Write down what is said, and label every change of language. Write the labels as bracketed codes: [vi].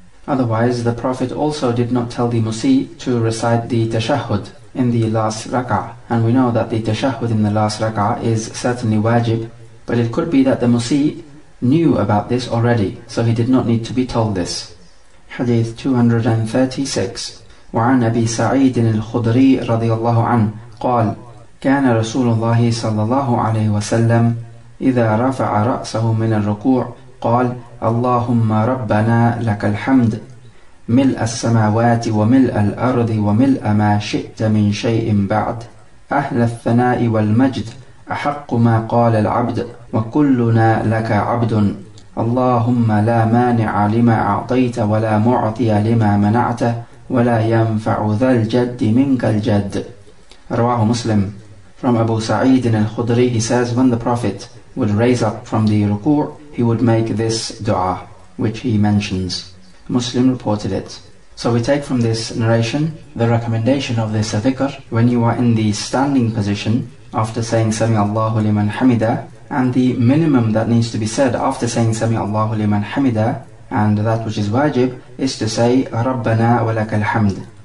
[en] Otherwise, the Prophet also did not tell the Musi to recite the tashahhud in the last rak'ah. And we know that the tashahhud in the last rak'ah is certainly wajib, but it could be that the Musi knew about this already, so he did not need to be told this. Hadith 236. [ar] وعن أبي سعيد الخدري رضي الله عنه قال كان رسول الله صلى الله عليه وسلم إذا رفع رأسه من الركوع قال اللهم ربنا لك الحمد ملء السماوات وملء الأرض وملء ما شئت من شيء بعد أهل الثناء والمجد أحق ما قال العبد وكلنا لك عبد اللهم لا مانع لما أعطيت ولا معطي لما منعت ولا ينفع ذا الجد منك الجد. رواه مسلم. [en] From Abu Sa'id al-Khudri, he says, when the Prophet would raise up from the ruku', he would make this dua, which he mentions. Muslim reported it. So we take from this narration the recommendation of this dhikr when you are in the standing position after saying [ar] Sami'allahu liman hamida, [en] and the minimum that needs to be said after saying Sami'allahu liman hamida, and that which is wajib, is to say [ar] Rabbana wa laka alhamd.